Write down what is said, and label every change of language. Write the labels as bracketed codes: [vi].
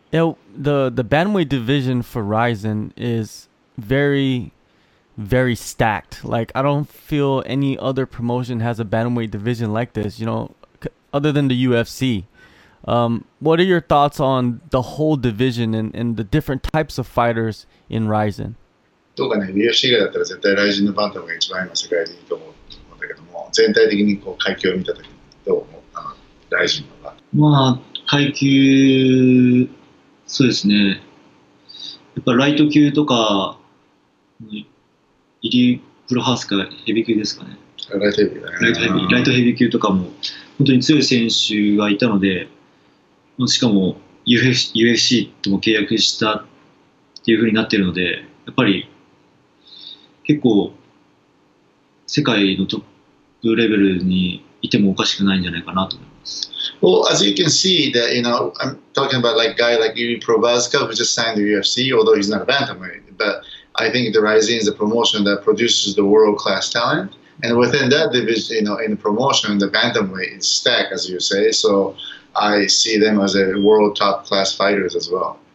[en] Yeah, the bantamweight division for Ryzen is very, very stacked. Like, I don't feel any other promotion has a bantamweight division like this, other than the UFC. What are your thoughts on the whole division and the different types of fighters in Ryzen? [ja] どうかね、UFC だったら絶対ライジンのバンタムが一番今世界でいいと思うんだけども、全体的にこう階級を見たときにどう思ったの、ライジンのバンタム。まあ、階級、そうですね。やっぱライト級とか、イリプロハースかヘビー級ですかね。ライトヘビーだね。ライトヘビー級とかも、本当に強い選手がいたので、しかも UFC とも契約したっていう風になっているので、やっぱり結構世界のトップレベルにいてもおかしくないんじゃないかなと思います。 [en] Well, as you can see, that, you know, I'm talking about like guy like Yuri Probaska who just signed the UFC, although he's not a bantamweight, but I think the Rising is a promotion that produces the world-class talent. And within that division, you know, in the promotion, the bantamweight is stacked, as you say. So I see them as a world top-class fighters as well.